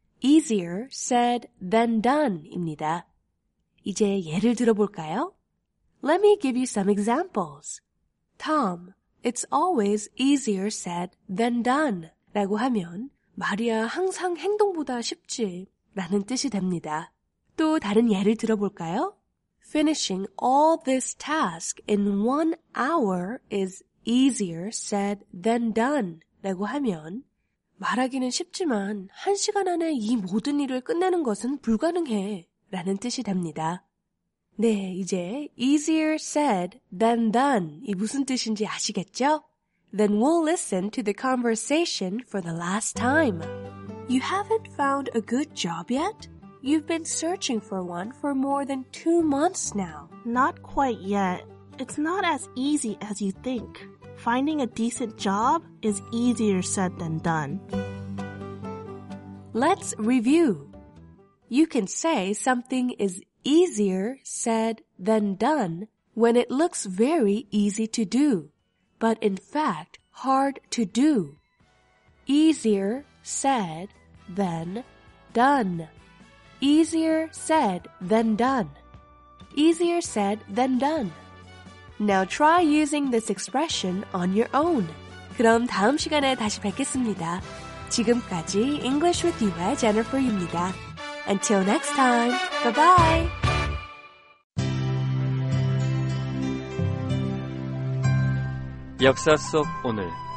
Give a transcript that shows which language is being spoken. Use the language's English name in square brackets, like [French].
[English] Easier said than done [Korean] 입니다. 이제 예를 들어볼까요? [English] Let me give you some examples. Tom, it's always easier said than done [Korean] 라고 하면 말이야 항상 행동보다 쉽지 라는 뜻이 됩니다. 또 다른 예를 들어볼까요? [English] Finishing all this task in 1 hour is easier said than done [Korean] 라고 하면 말하기는 쉽지만 한 시간 안에 이 모든 일을 끝내는 것은 불가능해 라는 뜻이 됩니다. 네, 이제 [English] easier said than done [Korean] 이 무슨 뜻인지 아시겠죠? [English] Then we'll listen to the conversation for the last time. You haven't found a good job yet? You've been searching for one for more than 2 months now. Not quite yet. It's not as easy as you think. Finding a decent job is easier said than done. Let's review. You can say something is easier said than done when it looks very easy to do, but in fact hard to do. Easier said than done. Easier said than done. Easier said than done. Now try using this expression on your own. [Korean] 그럼 다음 시간에 다시 뵙겠습니다. 지금까지 English with you의 Jennifer입니다. [English] Until next time, bye-bye! Yaksa Sok Onul.